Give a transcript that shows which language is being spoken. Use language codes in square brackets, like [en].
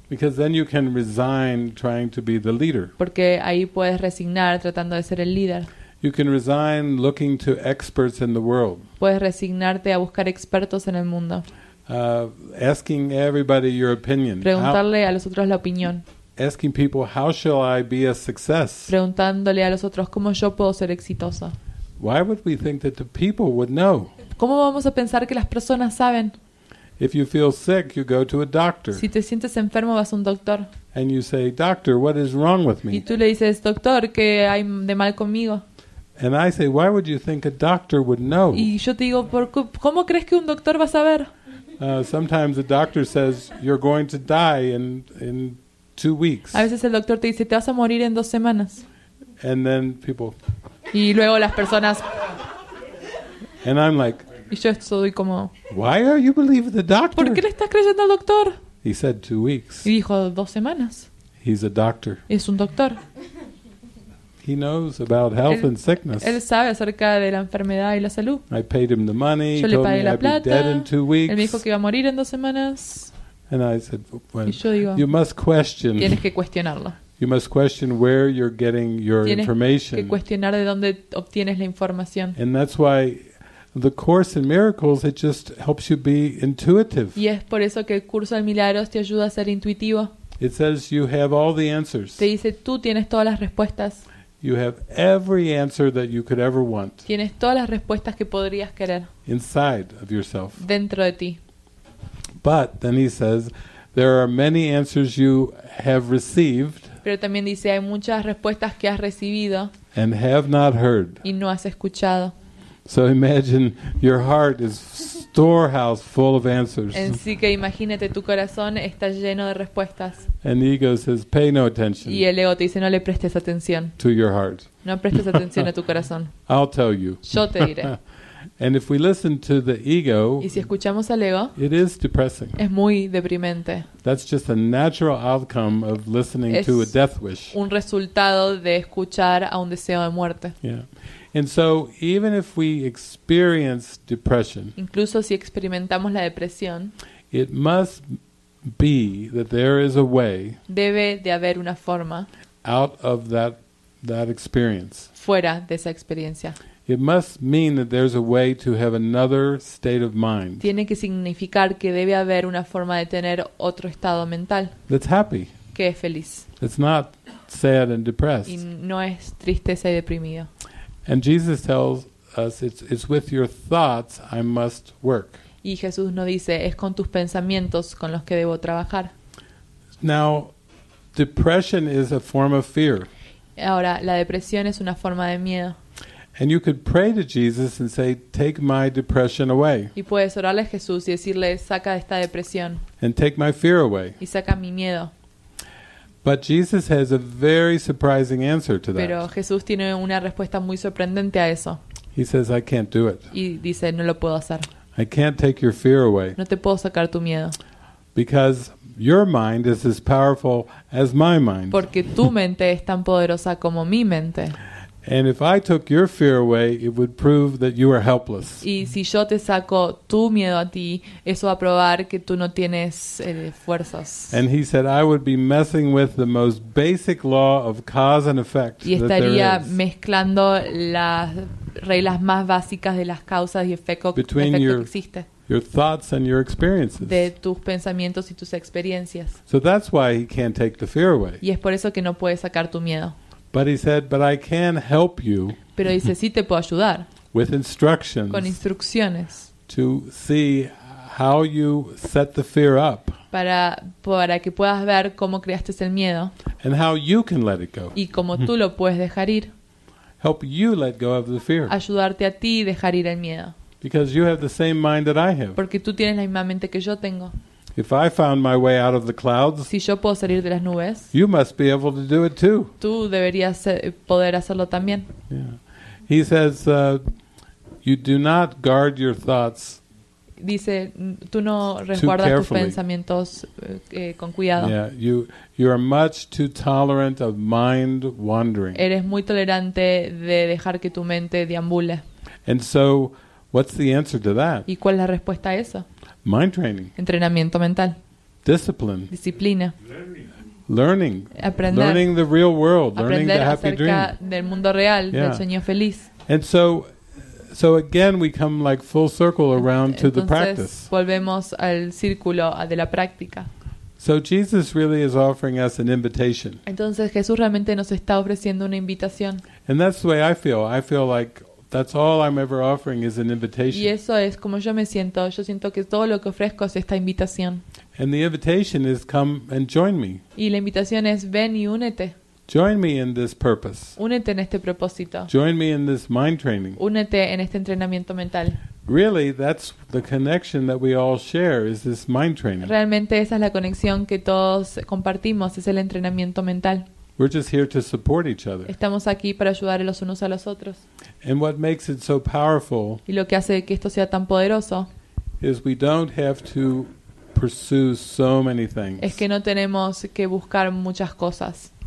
[en] Because then you can resign trying to be the leader. [es] Porque ahí puedes resignar tratando de ser el líder. [en] You can resign looking to experts in the world. [es] Puedes resignarte a buscar expertos en el mundo. [en] Asking everybody your opinion. [es] Preguntarle a los otros la opinión. [en] Asking people, how shall I be a success? [es] Preguntándole a los otros, ¿cómo yo puedo ser exitoso? [en] Why would we think that the people would know? [es] ¿Cómo vamos a pensar que las personas saben? [en] If you feel sick, you go to a doctor. [es] Si te sientes enfermo, vas a un doctor. [en] And you say, doctor, what is wrong with me? [es] Y tú le dices, doctor, ¿qué hay de mal conmigo? [en] And I say, why would you think a doctor would know? [es] Y yo te digo, ¿cómo crees que un doctor va a saber? [en] Sometimes the doctor says, you're going to die in 2 weeks. [es] A veces el doctor te dice, te vas a morir en 2 semanas. [en] And then people. [es] Y luego las personas. [en] And I'm like. [es] Y yo estoy como. [en] Why are you believing the doctor? [es] ¿Por qué le estás creyendo al doctor? [en] He said 2 weeks. [es] Y dijo 2 semanas. [en] He's a doctor. [es] Es un doctor. [en] He knows about health and sickness. [es] Él sabe acerca de la enfermedad y la salud. [en] I paid him the money. [es] Yo le pagué la plata. [en] I'd be dead in 2 weeks. [es] Él me dijo que iba a morir en 2 semanas. [en] And I said, well, [es] y yo digo, [en] you must question. [es] Tienes que cuestionarlo. [en] You must question where you're getting your [es] tienes [en] information. [es] Que cuestionar de dónde obtienes la información. [en] And that's why the Course in Miracles, it just helps you be intuitive. [es] Y es por eso que el curso de milagros te ayuda a ser intuitivo. [en] It says you have all the answers. [es] Te dice, tú tienes todas las respuestas. [en] You have every answer that you could ever want. [es] Tienes todas las respuestas que podrías querer. [en] Inside of yourself. [es] Dentro de ti. [en] But then he says, there are many answers you have received. [es] Pero también dice, hay muchas respuestas que has recibido. [en] And have not heard. [es] Y no has escuchado. [en] So imagine your heart is storehouse full of answers. [es] Así que imagínate, tu corazón está lleno de respuestas. [en] And the ego says, pay no attention. [es] Y el ego te dice, no le prestes atención. [en] To your heart. [es] No prestes atención a tu corazón. [en] I'll tell you. [es] Yo te diré. [en] And if we listen to the ego, [es] y si escuchamos al ego, [en] it is depressing. [es] Es muy deprimente. [en] That's just a natural outcome of listening to a death wish. [es] Un resultado de escuchar a un deseo de muerte. [en] Yeah. And so even if we experience depression, [es] incluso si experimentamos la depresión, [en] it must be that there is a way, [es] debe de haber una forma, [en] out of that experience, [es] fuera de esa experiencia. [en] It must mean that there's a way to have another state of mind. [es] Tiene que significar que debe haber una forma de tener otro estado mental. [en] That's happy. [es] Que es feliz. [en] It's not sad and depressed. [es] Y no es tristeza y deprimido. [en] And Jesus tells us it's with your thoughts I must work. [es] Y Jesús nos dice, es con tus pensamientos con los que debo trabajar. [en] Now, depression is a form of fear. [es] Ahora, la depresión es una forma de miedo. [en] And you could pray to Jesus and say, take my depression away. [es] Y puedes orarle a Jesús y decirle, saca esta depresión. [en] And take my fear away. [es] Y saca mi miedo. [en] But Jesus has a very surprising answer to that. [es] Pero Jesús tiene una respuesta muy sorprendente a eso. [en] He says, I can't do it. [es] Y dice, no lo puedo hacer. [en] I can't take your fear away. [es] No te puedo sacar tu miedo. [en] Because your mind is as powerful as my mind. [es] Porque tu mente es tan poderosa como mi mente. [en] And if I took your fear away, it would prove that you are helpless. [es] Y si yo te saco tu miedo a ti, eso va a probar que tú no tienes fuerzas. [en] And he said, I would be messing with the most basic law of cause and effect. [es] Y estaría mezclando las reglas más básicas de las causas y efectos que existe. [en] Your thoughts and your experiences. [es] De tus pensamientos y tus experiencias. [en] So that's why he can't take the fear away. [es] Y es por eso que no puede sacar tu miedo. [en] But he said, but I can help you. [es] Pero dice, sí te puedo ayudar. [en] With instructions. [es] Con instrucciones. [en] To see how you set the fear up. [es] Para que puedas ver cómo creaste el miedo. [en] And how you can let it go. [es] Y cómo tú lo puedes dejar ir. [en] Help you let go of the fear. [es] Ayudarte a ti dejar ir el miedo. [en] Because you have the same mind that I have. [es] Porque tú tienes la misma mente que yo tengo. [en] If I found my way out of the clouds, [es] si yo puedo salir de las nubes, [en] you must be able to do it too. [es] Tú deberías poder hacerlo también. [en] Yeah. He says, you do not guard your thoughts. [es] Dice, tú no resguardas tus pensamientos con cuidado. [en] Yeah, you are much too tolerant of mind wandering. [es] Eres muy tolerante de dejar que tu mente deambule. [en] And so, what's the answer to that? [es] ¿Y cuál es la respuesta a eso? [en] Mind training. [es] Entrenamiento mental. [en] Discipline. [es] Disciplina. [en] Learning. [es] Aprender. [en] Learning the real world. Learning the happy dream. [es] Aprender acerca del mundo real, yeah. Del sueño feliz. [en] And so again we come like full circle around [es] entonces, [en] to the practice. [es] Volvemos al círculo de la práctica. [en] So Jesus really is offering us an invitation. [es] Entonces Jesús realmente nos está ofreciendo una invitación. [en] And that's the way I feel. I feel like that's all I'm ever offering is an invitation. [es] Y eso es como yo me siento. Yo siento que todo lo que ofrezco es esta invitación. [en] And the invitation is come and join me. [es] Y la invitación es ven y únete. [en] Join me in this purpose. [es] Únete en este propósito. [en] Join me in this mind training. [es] Únete en este entrenamiento mental. [en] Really, that's the connection that we all share is this mind training. [es] Realmente esa es la conexión que todos compartimos, es el entrenamiento mental. [en] We're just here to support each other. [es] Estamos aquí para ayudar los unos a los otros. [en] And what makes it so powerful? [es] Y lo que hace que esto sea tan poderoso [en] is we don't have to pursue so many things. [es] Es que no tenemos que buscar muchas cosas.